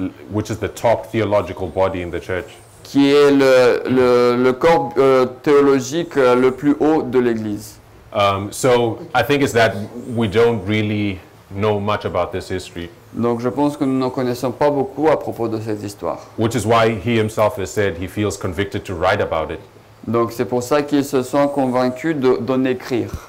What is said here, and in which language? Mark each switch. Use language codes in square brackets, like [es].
[en] which is the top theological body in the church. [fr] Qui est le corps théologique le plus haut de l'Église. [en] So I think it's that we don't really know much about this history. [fr] Donc je pense que nous n'en connaissons pas beaucoup à propos de cette histoire. [en] Which is why he himself has said he feels convicted to write about it. [fr] Donc c'est pour ça qu'il se sent convaincu d'en écrire.